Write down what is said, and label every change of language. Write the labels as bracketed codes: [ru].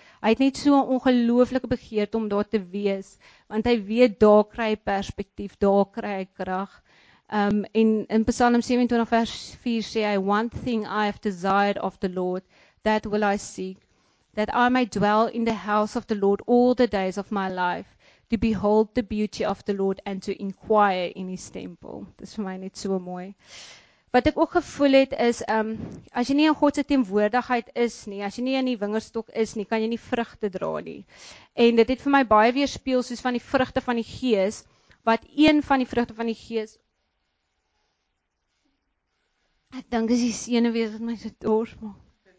[af] Hy het net so 'n ongelooflike begeerte om daar te wees, want hy weet daar kry hy perspektief, daar kry hy krag. En in Psalm 27 vers 4 sê hy, [en] one thing I have desired of the Lord, that will I seek, that I may dwell in the house of the Lord all the days of my life, to behold the beauty of the Lord and to inquire in his temple. [af] Dis vir my net so mooi. Wat ek ook gevoel het is, as jy nie in God se teenwoordigheid is nie, as jy nie in die wingerdstok is nie, kan jy nie vrugte dra nie. En dit het vir my baie weerspieël soos van die vrugte van die gees, wat een van die vrugte van die gees, ek dink is die senuwees wat my so dors maak.